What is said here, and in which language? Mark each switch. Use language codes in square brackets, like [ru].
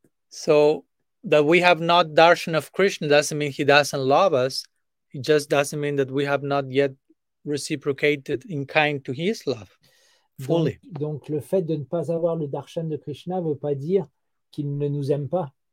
[en] So... that we have not darshan of Krishna doesn't mean he doesn't love us. It just doesn't mean that we have not yet reciprocated in kind to his love fully. [fr] Donc le fait de ne pas avoir le darshan de Krishna ne veut pas dire qu'il ne nous aime pas.